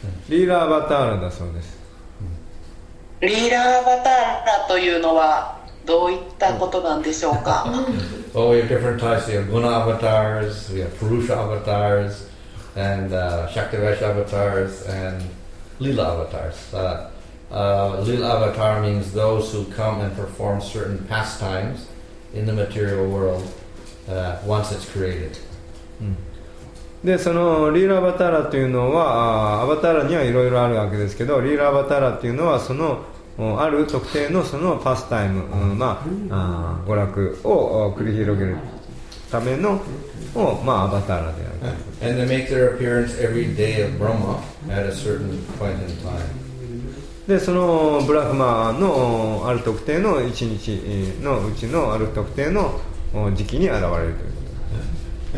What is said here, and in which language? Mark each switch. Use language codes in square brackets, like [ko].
[ja] リーラアバターラだそうです。リーラアバターラというのは。どういったことなんでしょうか。 [en] Well, we have different types. We have Guna avatars, we have Purusha avatars, and Shaktivesh avatars, and Lila avatars. Lila avatar means those who come and perform certain pastimes in the material world once it's created. [ja] で、そのリーラアバターラというのは、アバターラにはいろいろあるわけですけど、リーラアバターラというのはそのある特定のそのパスタイム、まあ、娯楽を繰り広げるためのを、まあ、アバターラである [en] And they make their appearance every day of Brahma at a certain point in time. [ja] で、そのブラフマーのある特定の一日のうちのある特定の時期に現れるということ。